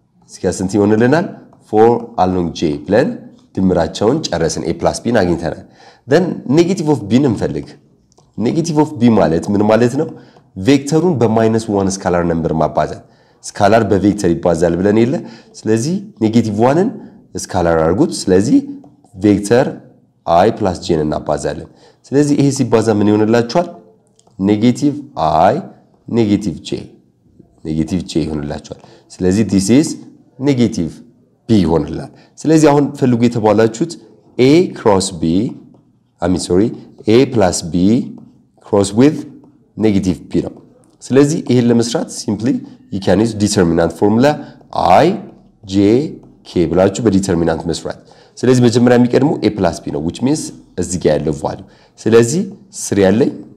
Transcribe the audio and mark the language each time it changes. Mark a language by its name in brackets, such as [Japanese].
[Amharic] እስኪ ስንት ይሆንልናል 4 along j plan ድምራቸውን ጨረስን a + b አግኝተናል። [English] then negative of b [Amharic] እንፈልግ። [English] negative of b [Amharic] ማለት ምን ማለት ነው? ቬክተሩን በማይነስ 1 ስካላር ነምበር ማባዛት። ስካላር በቬክተር ይባዛል ብለን ይለ ስለዚህ negative 1ን ስካላር አርጉት። ስለዚህ ቬክተር i + j እናባዛለን። ስለዚህ ይሄ ሲባዛ ምን ይሆንላችኋል? [English] negative i negative j negative j [Amharic] ይሆንላችኋል። ስለዚህ [English] this is negative b [Amharic] ይሆንላል። ስለዚህ አሁን ፈልጉ የተባላችሁት [English] a cross b a plus b cross with negative b [Amharic] ነው ስለዚህ ይሄን ለመስራት [English] simply you can use determinant formula i j k [Amharic] ብላችሁ በdeterminant መስራት ስለዚህ መጀመሪያ የሚቀድመው [English] a plus b [Amharic] ነው [English] which means [Amharic] እዚህ ጋር ያለው value ስለዚህ 3 አለኝ